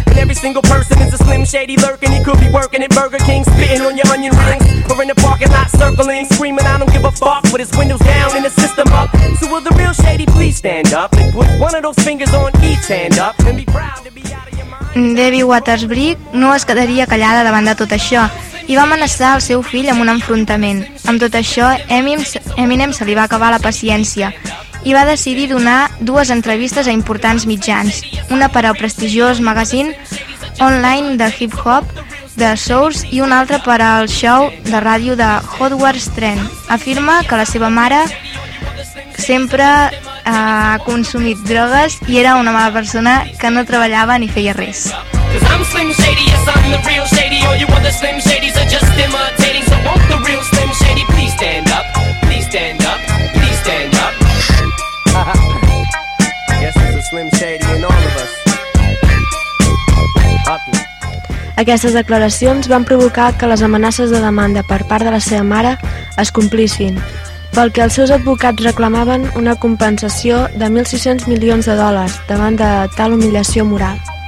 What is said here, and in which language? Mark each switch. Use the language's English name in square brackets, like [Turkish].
[English] And every single person is a Slim Shady lurking. He could be working at Burger King, spitting on your onion rings, or in the parking lot circling, screaming, I don't give a fuck, with his windows down and his system up. So will the real Shady please stand up and put one of those fingers on each hand up and be proud to be out of your mind. [Catalan] Debbie Waters Brick no es quedaria callada davant de tot això i va amenaçar el seu fill amb un enfrontament. Amb tot això, Eminem se li va acabar la paciència i va decidir donar dues entrevistes a importants mitjans, una per al prestigiós magazine online de hip-hop de Source i una altra per al show de ràdio de Hogwarts Trend. Afirma que la seva mare sempre ha consumit drogues i era una mala persona que no treballava ni feia res. [English] Cause I'm Slim Shady, yes I'm the real Shady. All you other Slim Shadys are just imitating. So won't the real Slim Shady please stand up. Please stand up, please stand up. Yes, it's a Slim Shady in all of us. [Catalan] Aquestes declaracions van provocar que les amenaces de demanda per part de la seva mare es complissin, pel que els seus advocats reclamaven una compensació de 1.600 milions de dòlars davant de tal humiliació moral.